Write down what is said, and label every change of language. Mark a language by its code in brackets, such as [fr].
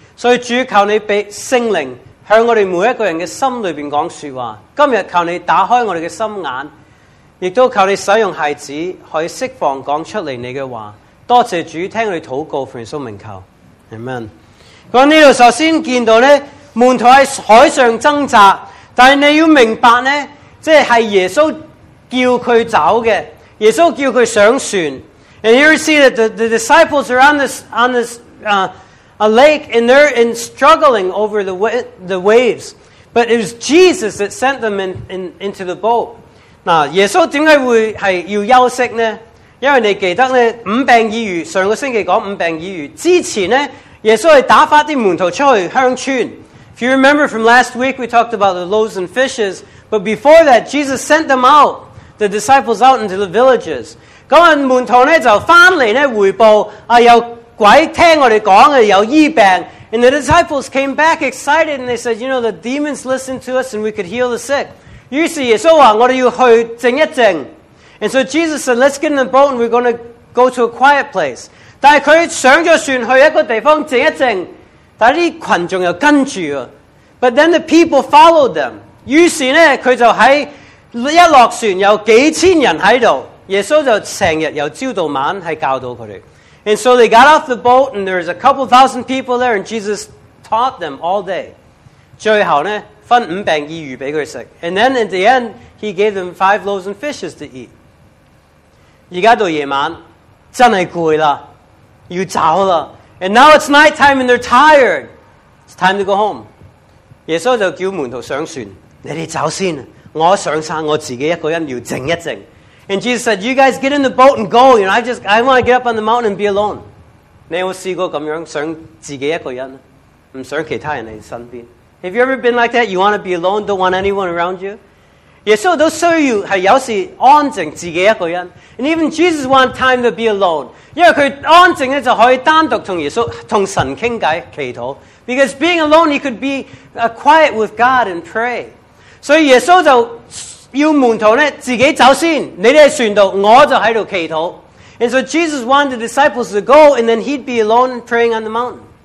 [yue] 所以主，求你给圣灵向我们每一个人的心里面讲说话，今天求你打开我们的心眼，亦都靠你使用孩子可以释放讲出来你的话。多谢主，听你祷告，奉耶稣名求， Amen。在这里首先见到呢，门徒在海上挣扎，但是你要明白呢，即是耶稣叫他走的，耶稣叫他上船。 [en] And here you see that the disciples are on this a lake, and they're in struggling over the waves. But it was Jesus that sent them into the boat. [yue] 那耶稣为什么会是要休息呢？因为你记得呢，五饼二鱼，上个星期讲五饼二鱼之前呢，耶稣是打发啲门徒出去乡村。 [en] If you remember from last week, we talked about the loaves and fishes. But before that, Jesus sent them out, the disciples out into the villages. [yue] 那门徒呢就回来呢回报，有鬼听我们讲的，有医病。 [en] And the disciples came back excited, and they said, you know, the demons listened to us and we could heal the sick. [yue] 于是耶稣说，我们要去静一静。 [en] And so Jesus said, let's get in the boat and we're going to go to a quiet place. [yue] 但是他上了船去一个地方静一静，但是群众又跟住了。 [en] But then the people followed them. [yue] 于是呢，他就在一落船有几千人在这里，耶稣就成日由朝到晚在教导他们。 [en] And so they got off the boat and there's a couple thousand people there and Jesus taught them all day. [yue] 最后呢，分五饼二鱼给他吃。 [en] And then in the end, he gave them five loaves and fishes to eat. [yue] 现在到夜晚，真是累了，要走了。 [en] And now it's night time and they're tired. It's time to go home. [yue] 耶稣就叫门徒上船，你们走先，我上山，我自己一个人要静一静。 [en] And Jesus said, you guys get in the boat and go. You know, I want to get up on the mountain and be alone. [yue] 你有试过这样想自己一个人，不想其他人在身边？ [en] Have you ever been like that? You want to be alone, don't want anyone around you? [yue] 耶稣都需要是有时安静自己一个人。 [en] And even Jesus wanted time to be alone. [yue] 因为他安静就可以单独跟耶稣跟神倾偈祈祷。 [en] Because being alone, he could be quiet with God and pray. [yue] 所以耶稣就要门徒呢自己走先，你在船道，我就在这祈祷。 [en] And so Jesus wanted the disciples to go and then he'd be alone praying on the mountain.